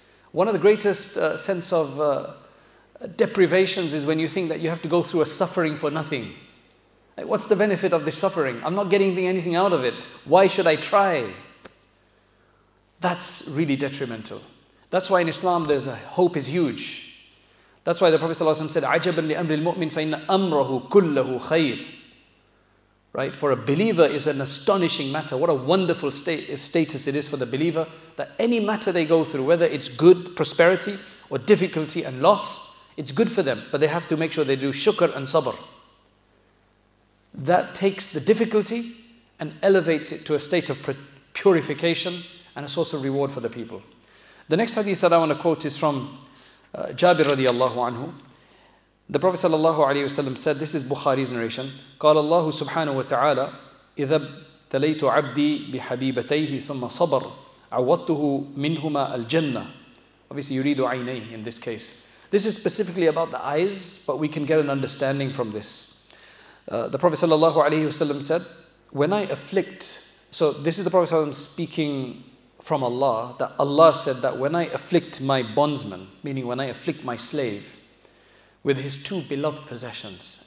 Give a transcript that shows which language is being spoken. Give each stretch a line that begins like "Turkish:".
English: One of the greatest sense of deprivations is when you think that you have to go through a suffering for nothing. Like, what's the benefit of this suffering? I'm not getting anything out of it. Why should I try? That's really detrimental. That's why in Islam there's a hope is huge. That's why the Prophet ﷺ said,
Arabic: "عَجَبًا لِأَمْرِ الْمُؤْمِنِ فَإِنَّ أَمْرَهُ كُلَّهُ خَيْرٌ."
English: Right, for a believer is an astonishing matter. What a wonderful status it is for the believer that any matter they go through, whether it's good, prosperity, or difficulty and loss, it's good for them. But they have to make sure they do shukr and sabr. That takes the difficulty and elevates it to a state of purification and a source of reward for the people. The next hadith that I want to quote is from Jabir radiallahu anhu. The Prophet sallallahu alaihi wasallam said, this is Bukhari's narration,
Arabic: قال الله سبحانه وتعالى إذا ابتليت عبدي بحبيبتيه ثم صبر عوضته منهما الجنة.
English: Obviously
Arabic: يريد عينيه
English: in this case. This is specifically about the eyes, but we can get an understanding from this. The Prophet sallallahu alaihi wasallam said, when I afflict, so this is the Prophet sallallahu alaihi wasallam speaking from Allah, that Allah said that when I afflict my bondsman, meaning when I afflict my slave, with his two beloved possessions.